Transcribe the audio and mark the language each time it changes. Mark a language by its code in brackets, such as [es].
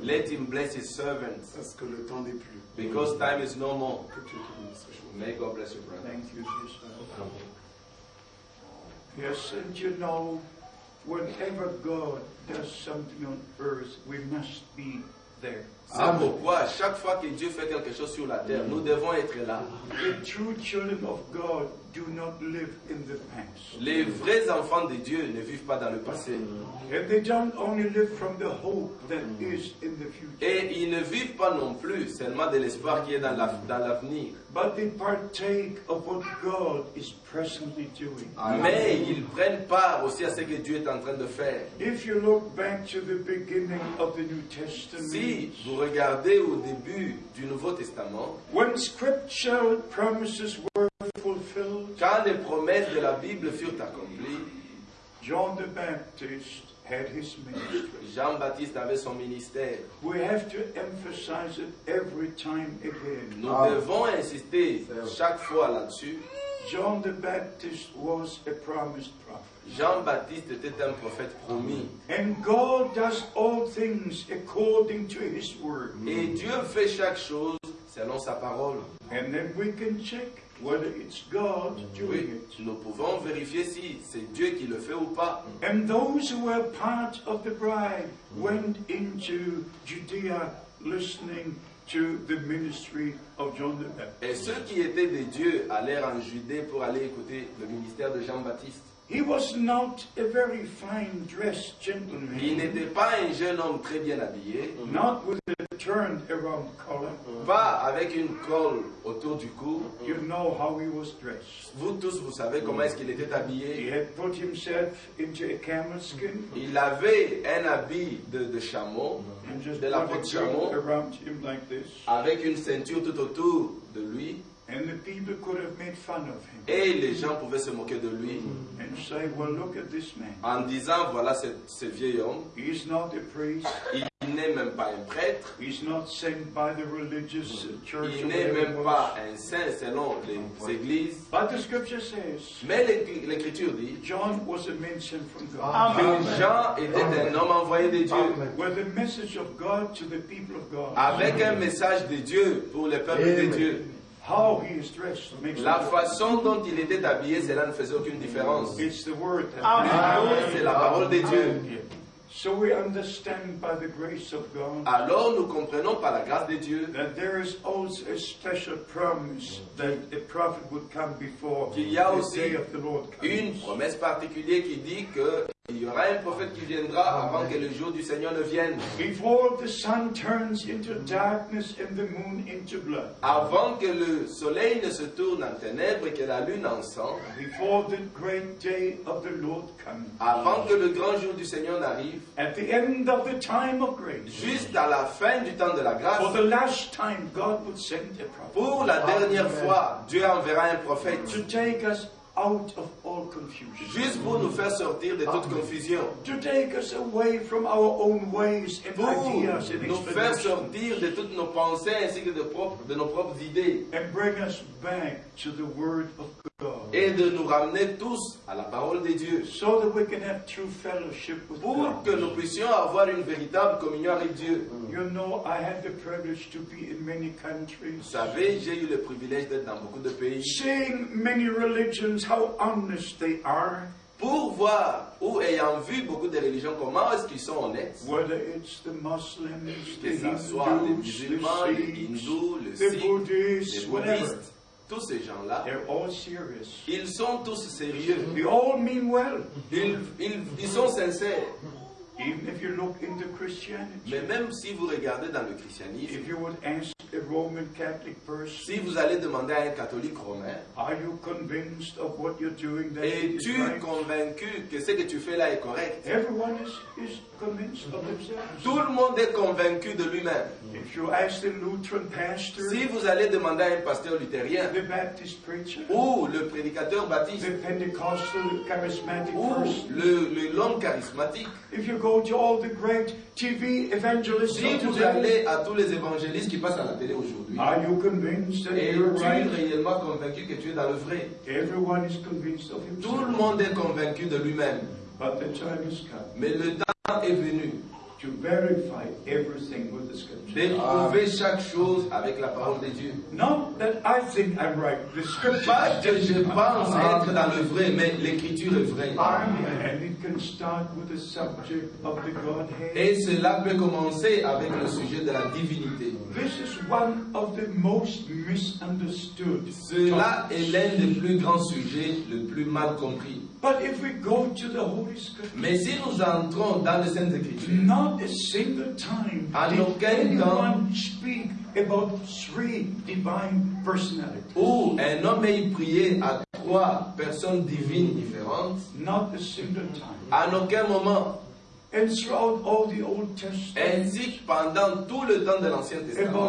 [en] Let Him bless His servants. [fr] Parce que le temps n'est plus. [en] Because time is no more. May God bless you, brother. Thank you, Jesus. Yes, and you know, whenever God does something on earth, we must be there. [fr] C'est pourquoi chaque fois que Dieu fait quelque chose sur la terre, nous devons être là. [en] The true children of God do not live in the past. [fr] Les vrais enfants de Dieu ne vivent pas dans le passé. [en] And they don't only live from the hope that is in the future. [fr] Et ils ne vivent pas non plus seulement de l'espoir qui est dans l'avenir. [en] But they partake of what God is presently doing. [fr] Mais ils prennent part aussi à ce que Dieu est en train de faire. [en] If you look back to the beginning of the New Testament. [fr] Si vous regardez au début du Nouveau Testament. [en] When scripture promises were fulfilled. [fr] Quand les promesses de la Bible furent accomplies. [en] John the Baptist had his ministry. [fr] Jean-Baptiste avait son ministère. [en] We have to emphasize it every time again. [fr] Nous devons insister chaque fois là-dessus. [en] John the Baptist was a promised prophet. [fr] Jean-Baptiste était un prophète promis. [en] And God does all things according to his word. [fr] Et Dieu fait chaque chose selon sa parole. [en] And then we can check whether it's God doing it. [fr] Oui, nous pouvons vérifier si c'est Dieu qui le fait ou pas. [en] And those who were part of the bride went into Judea listening to the ministry of John the Baptist. [fr] Et ceux qui étaient des dieux allèrent en Judée pour aller écouter le ministère de Jean-Baptiste. [en] He was not a very fine dressed gentleman. [fr] Il n'était pas un jeune homme très bien habillé. [en] Not with a turned around collar. [fr] Pas avec une colle autour du cou. [en] You know how he was dressed. [fr] Vous tous, vous savez comment est-ce qu'il était habillé. [en] He had put himself into a camel skin. [fr] Il avait un habit de chameau, de la peau de chameau, [en] around him like this. [fr] Avec une ceinture tout autour de lui. [en] And the people could have made fun of him. [fr] Et les gens pouvaient se moquer de lui. [en] And say, well, look at this man. [fr] En disant, voilà ce vieil homme. [en] He is not a priest. [fr] Il n'est même pas un prêtre. [en] He is not sent by the religious church. [fr] Il n'est même pas un saint selon les églises. [en] But the scripture says, [fr] mais l'écriture dit, [en] John was a mention from God. [fr] Amen. Jean était un homme envoyé de Dieu. [en] With the message of God to the people of God. [fr] Avec un message de Dieu pour le peuple de Dieu. [en] How he is dressed makes [fr] la façon dont il était habillé, cela ne faisait aucune différence. [en] It's the word [fr] that Amen. C'est la parole de Dieu. Amen. [en] So we understand by the grace of God. [fr] Alors nous comprenons par la grâce de Dieu. [en] That there is also a special promise that a prophet would come before the day of the Lord comes. [fr] Une promesse particulière qui dit que il y aura un prophète qui viendra avant que le jour du Seigneur ne vienne. [en] Before the sun turns into darkness and the moon into blood. [fr] Avant que le soleil ne se tourne en ténèbres et que la lune en sang. [en] Before the great day of the Lord comes. [fr] Avant que le grand jour du Seigneur n'arrive. [en] At the end of the time of grace. [fr] Juste à la fin du temps de la grâce. [en] For the last time, God would send a prophet. [fr] Pour la dernière fois, Dieu enverra un prophète. [en] To take us out of all confusion. [fr] Juste pour nous faire sortir de toute confusion. [en] To take us away from our own ways and [fr] pour [en] ideas and expectations. [fr] Nous faire sortir de toutes nos pensées ainsi que de nos propres idées. [en] And bring us back to the word of God. [fr] Et de nous ramener tous à la parole de Dieu. [en] So that we can have true fellowship with [fr] pour [en] God. [fr] Que nous puissions avoir une véritable communion avec Dieu. [en] You know, I had the privilege to be in many countries. [fr] Vous savez, j'ai eu le privilège d'être dans beaucoup de pays. [en] Seeing many religions. How honest they are. [fr] Pour voir ou ayant vu beaucoup de religions, comment est-ce qu'ils sont honnêtes? [en] Whether it's the Muslims, the Hindus, [fr] les musulmans, les hindous, les sikhs, les bouddhistes, whatever. Tous ces gens-là, [en] they're all serious. [fr] Ils sont tous sérieux. [en] They all mean well. [fr] Ils sont sincères. [en] Even if you look into Christianity, [fr] mais même si vous regardez dans le christianisme, [en] if you would ask a Roman Catholic person, [fr] si vous allez demander à un catholique romain, [en] are you convinced of what you're doing that [fr] es-tu convaincu que ce que tu fais là est correct? [en] Everyone is convinced of themselves. [fr] Tout le monde est convaincu de lui-même. [en] If you ask a Lutheran pastor, [fr] si vous allez demander à un pasteur luthérien, [en] the Baptist preacher, [fr] ou le prédicateur baptiste, [en] the Pentecostal charismatic person, [fr] ou le l'homme charismatique, [en] if you go to all the great TV evangelists, [fr] si vous allez à tous les évangélistes qui passent à la télé aujourd'hui, [en] are you convinced that [fr] es-tu [en] you're right? [fr] Réellement convaincu que tu es dans le vrai? [en] Everyone is convinced of himself. [fr] Tout le monde est convaincu de lui-même. [en] But the time has come. [fr] Mais le temps est venu. [en] To verify everything with the scriptures. [fr] D'éprouver chaque chose avec la parole de Dieu. [en] Not that I think I'm right. The scriptures. [fr] Pas que je pense être dans le vrai, mais l'écriture est vraie. [en] And it can start with the subject of the Godhead. [fr] Et cela peut commencer avec le sujet de la divinité. [en] This is one of the most misunderstood. [fr] Cela est l'un des plus grands sujets, le plus mal compris. [en] But if we go to the Holy Scriptures. [fr] Mais si nous entrons dans les Saintes Écritures. [en] Not a single time did anyone speak about three divine personalities. [fr] Oh, un homme ayant prié à trois personnes divines différentes. [en] Not a single time. [fr] À aucun moment. [en] And throughout all the Old Testament. [fr] Ainsi que pendant tout le temps de l'Ancien Testament.